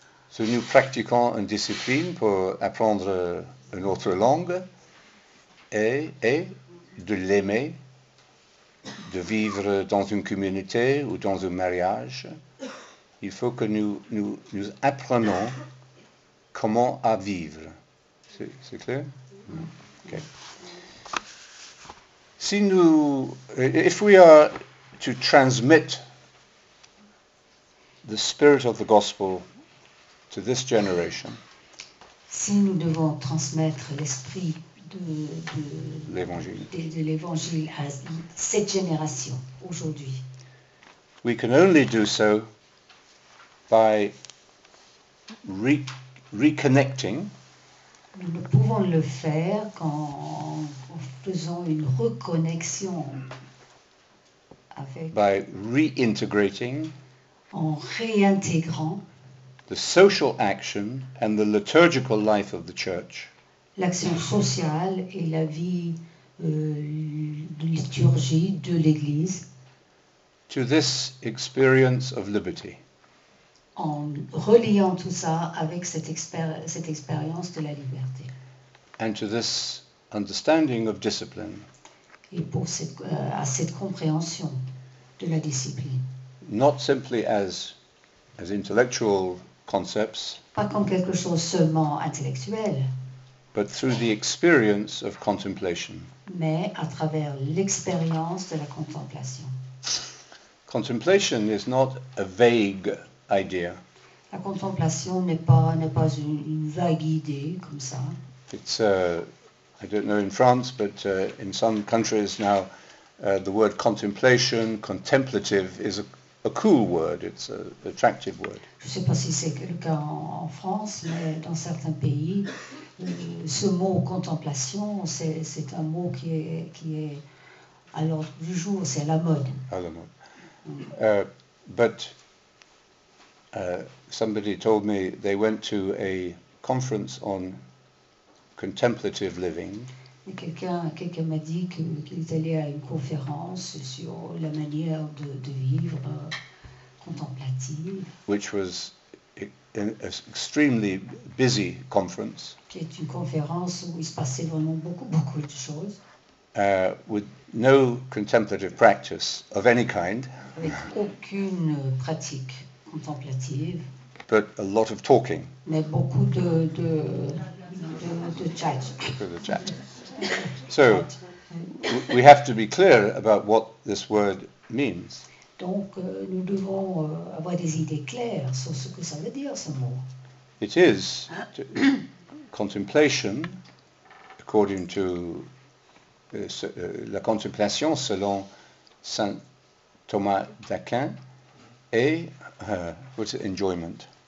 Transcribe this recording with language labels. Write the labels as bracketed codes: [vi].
[fr] Si nous pratiquons une discipline pour apprendre une autre langue et de l'aimer, de vivre dans une communauté ou dans un mariage, il faut que nous apprenons comment à vivre. C'est clair? Okay. Si nous, [en] if we are to transmit the spirit of the gospel to this generation, [fr] si nous devons transmettre l'esprit de l'évangile à cette génération aujourd'hui. [en] We can only do so by reconnecting. [fr] Nous ne pouvons le faire qu'en faisant une reconnexion avec. [en] By reintegrating. [fr] En réintégrant. [en] The social action and the liturgical life of the church. [fr] L'action sociale et la vie de liturgie de l'Église. [en] To this experience of liberty. [fr] En reliant tout ça avec cette expérience de la liberté. [en] And to this understanding of discipline. [fr] Et pour à cette compréhension de la discipline. [en] Not simply as intellectual concepts. [fr] Pas comme quelque chose seulement intellectuel. [en] But through the experience of contemplation. [fr] Mais à travers l'expérience de la contemplation. [en] Contemplation is not a vague idea. [fr] La contemplation n'est pas une vague idée comme ça. [en] It's I don't know in France, but in some countries now, the word contemplation, contemplative, is a cool word. It's an attractive word. [fr] Je ne sais pas si c'est le cas en France, mais dans certains pays. Ce mot contemplation, c'est un mot qui est à l'ordre du jour, c'est à la mode. À la mode. [en] But somebody told me they went to a conference on contemplative living. [fr] Et quelqu'un m'a dit qu'il est allé à une conférence sur la manière de vivre contemplative. [en] Which was an extremely busy conference. [fr] Qui est une conférence où il se passait vraiment beaucoup, beaucoup de choses. [en] With no contemplative practice of any kind. [fr] Avec aucune pratique contemplative. [en] But a lot of talking. [fr] Mais beaucoup de chat. [en] For the chat. So, we have to be clear about what this word means. [fr] Donc, nous devons avoir des idées claires sur ce que ça veut dire, ce mot. [en] It is contemplation, according to [fr] la contemplation selon Saint Thomas d'Aquin, et [en] what's it, enjoyment.